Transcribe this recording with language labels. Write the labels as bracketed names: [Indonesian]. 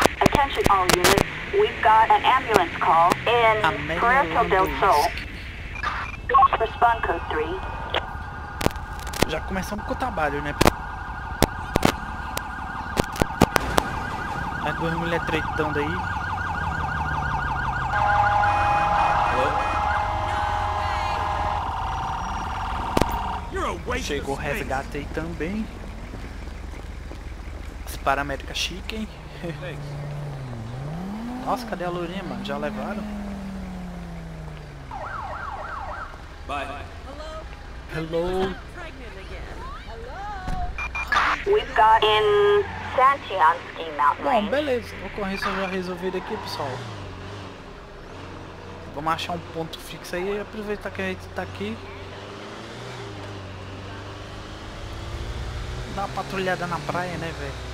[English] Attention all units, we've got an ambulance call in Puerto del Sol. Respond code 3. [Portuguese] Já começamos com o trabalho, né? As duas mulheres tretando aí. Chegou o resgate aí também. Para a América chique, hein? Nossa, cadê a Lourinha, mano? Já levaram? [English] Bye. Hello. We've got in Santianski Mountain. [Portuguese] Bom, beleza. A ocorrência já resolvida aqui, pessoal. Vamos achar um ponto fixo aí e aproveitar que a gente tá aqui. Dá uma patrulhada na praia, né, velho?